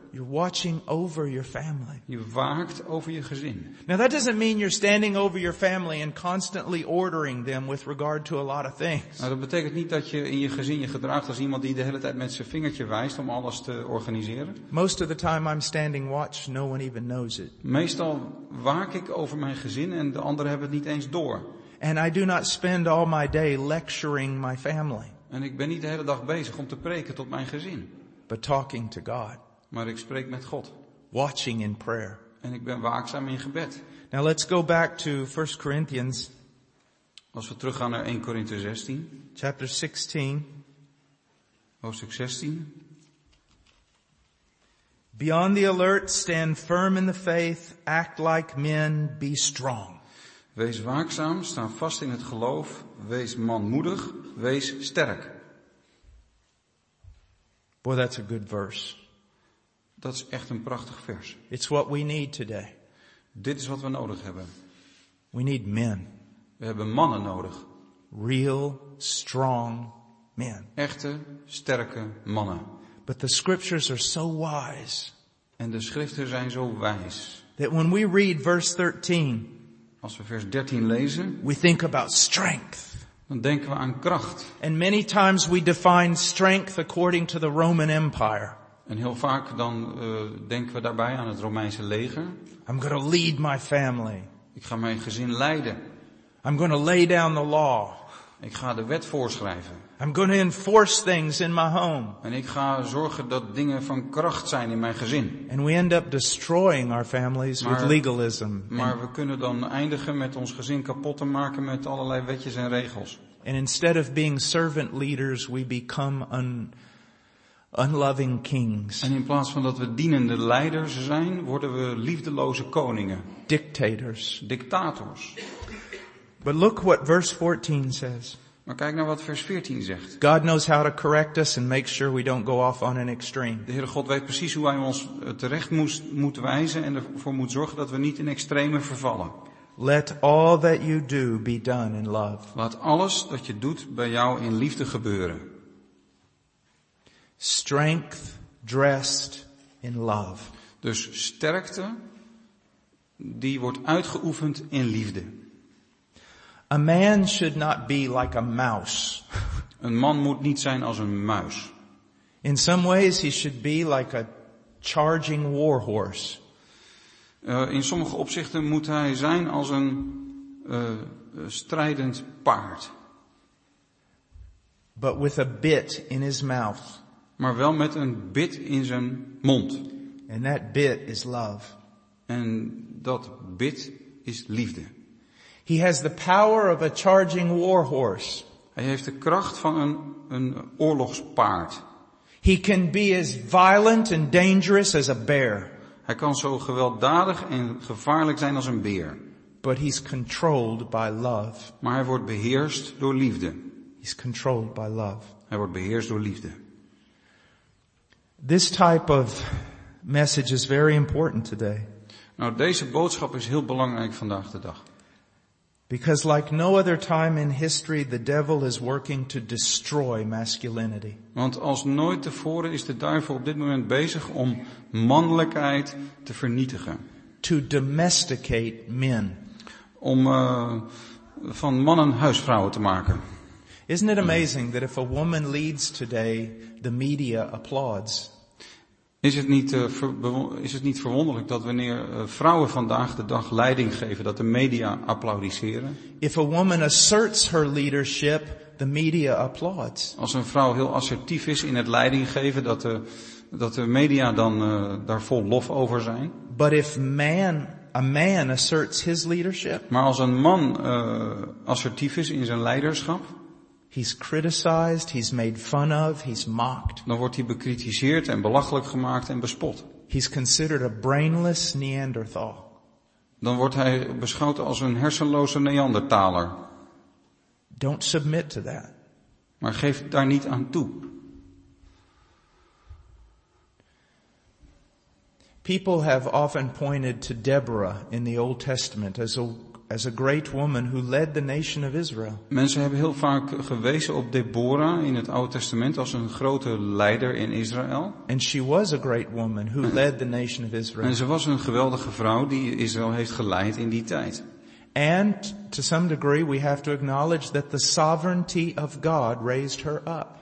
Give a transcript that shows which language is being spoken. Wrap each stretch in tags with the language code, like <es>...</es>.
<en>You're watching over your family.</en> <nl>Je waakt over je gezin.</nl> <en>Now that doesn't mean you're standing over your family and constantly ordering them with regard to a lot of things.</en> <nl>Nou, dat betekent niet dat je in je gezin je gedraagt als iemand die de hele tijd met zijn vingertje wijst om alles te organiseren.</nl> <en>Most of the time I'm standing watch, no one even knows it.</en> <nl>Meestal waak ik over mijn gezin en de anderen hebben het niet eens door.</nl> <en>And I do not spend all my day lecturing my family.</en> <nl>En ik ben niet de hele dag bezig om te preken tot mijn gezin.</nl> <en>But talking to God.</en> <nl>Maar ik spreek met God.</nl> <en>Watching in prayer.</en> <nl>En ik ben waakzaam in gebed.</nl> <en>Now let's go back to 1 Corinthians.</en> <nl>Als we teruggaan naar 1 Korinthe 16.</nl> <en>Chapter 16.</en> <nl>Hoofdstuk 16.</nl> <en>Be on the alert, stand firm in the faith, act like men, be strong.</en> <nl>Wees waakzaam, sta vast in het geloof, wees manmoedig, wees sterk.</nl> <en>Boy, that's a good verse.</en> <nl>Dat is echt een prachtig vers.</nl> <en>It's what we need today.</en> <nl>Dit is wat we nodig hebben.</nl> <en>We need men.</en> <nl>We hebben mannen nodig.</nl> <en>Real, strong men.</en> <nl>Echte, sterke mannen.</nl> <en>But the scriptures are so wise.</en> <nl>En de schriften zijn zo wijs.</nl> <en>That when we read verse 13.</en> <nl>Als we vers 13 lezen.</nl> <en>We think about strength.</en> <nl>Dan denken we aan kracht.</nl> <en>And many times we define strength according to the Roman Empire.</en> <nl>En heel vaak dan denken we daarbij aan het Romeinse leger.</nl> <en>I'm going to lead my family.</en> <nl>Ik ga mijn gezin leiden.</nl> <en>I'm going to lay down the law.</en> <nl>Ik ga de wet voorschrijven.</nl> <en>I'm going to enforce things in my home.</en> <nl>En ik ga zorgen dat dingen van kracht zijn in mijn gezin.</nl> <en>And we end up destroying our families with legalism.</en> <nl>Maar we kunnen dan eindigen met ons gezin kapot te maken met allerlei wetjes en regels.</nl> <en>And instead of being servant leaders, we become unloving kings.</en> <nl>En in plaats van dat we dienende leiders zijn, worden we liefdeloze koningen.</nl> <en>Dictators.</en> <nl>Dictators.</nl> <en>But look what verse 14 says.</en> <nl>Maar kijk naar wat vers 14 zegt.</nl> <en>God knows how to correct us and make sure we don't go off on an extreme.</en> <nl>De Heere God weet precies hoe hij ons terecht moet wijzen en ervoor moet zorgen dat we niet in extreme vervallen.</nl> <en>Let all that you do be done in love.</en> <nl>Laat alles wat je doet bij jou in liefde gebeuren.</nl> <en>Strength dressed in love.</en> <nl>Dus sterkte die wordt uitgeoefend in liefde.</nl> <en>A man should not be like a mouse.</en> <nl>Een man moet niet zijn als een muis.</nl> <en>In some ways he should be like a charging war horse.</en> <nl>In sommige opzichten moet hij zijn als een strijdend paard.</nl> <en>But with a bit in his mouth.</en> <nl>Maar wel met een bit in zijn mond.</nl> <en>And that bit is love.</en> <nl>En dat bit is liefde.</nl> <en>He has the power of a charging war horse.</en> <nl>Hij heeft de kracht van een oorlogspaard.</nl> <en>He can be as violent and dangerous as a bear.</en> <nl>Hij kan zo gewelddadig en gevaarlijk zijn als een beer.</nl> <en>But he's controlled by love.</en> <nl>Maar hij wordt beheerst door liefde.</nl> <en>He's controlled by love.</en> <nl>Hij wordt beheerst door liefde.</nl> <en>This type of message is very important today.</en> <nl>Nou, deze boodschap is heel belangrijk vandaag de dag.</nl> <en>Because like no other time in history, the devil is working to destroy masculinity.</en> <nl>Want als nooit tevoren is de duivel op dit moment bezig om mannelijkheid te vernietigen.</nl> <en>To domesticate men.</en> <nl>Om van mannen huisvrouwen te maken.</nl> <en>Isn't it amazing that if a woman leads today, the media applauds?</en> <nl>Is het niet verwonderlijk dat wanneer vrouwen vandaag de dag leiding geven, dat de media applaudisseren?</nl> <en>If a woman asserts her leadership, the media applauds.</en> <nl>Als een vrouw heel assertief is in het leiding geven, dat de media dan daar vol lof over zijn.</nl> <en>But if a man asserts his leadership.</en> <nl>Maar als een man assertief is in zijn leiderschap.</nl> <en>He's criticized, he's made fun of, he's mocked.</en> <nl>Dan wordt hij bekritiseerd en belachelijk gemaakt en bespot.</nl> <en>He's considered a brainless Neanderthal.</en> <nl>Dan wordt hij beschouwd als een hersenloze Neandertaler.</nl> <en>Don't submit to that.</en> <nl>Maar geef daar niet aan toe.</nl> <en>People have often pointed to Deborah in the Old Testament as a great woman who led the nation of Israel.</en> <nl>Mensen hebben heel vaak gewezen op Deborah in het Oude Testament als een grote leider in Israël.</nl> <en>And she was a great woman who led the nation of Israel.</en> <nl>En ze was een geweldige vrouw die Israël heeft geleid in die tijd.</nl> <en>And to some degree we have to acknowledge that the sovereignty of God raised her up.</en>